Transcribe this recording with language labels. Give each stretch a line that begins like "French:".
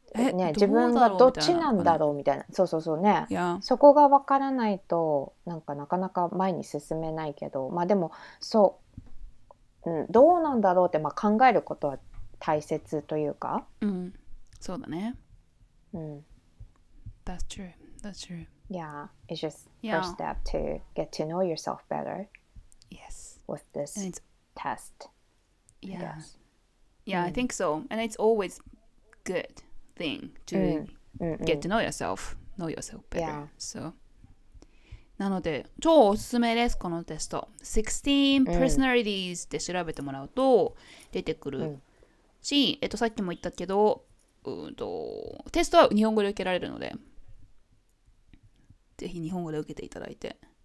Japanese: ね、自分はどっちなんだろうみたいな、そうそうそうね、
English: yeah.
Japanese: そこが分からないとなんかなかなか前に進めないけど、まあでもそう、うん、どうなんだろうって、まあ、考えることは大切というか、うん、そうだね、うん、
English: That's true, that's true. Yeah, it's just first step to get to know yourself better. Yes, with this test. Yeah, yeah, I think so, and it's always good. Thing to get to know yourself, know yourself better. Yeah. So,
Japanese: なので超おすすめですこのテスト。 16 personalities で調べてもらうと出てくるし、さっきも言ったけど、テストは日本語で受けられるので、ぜひ日本語で受けていただいて、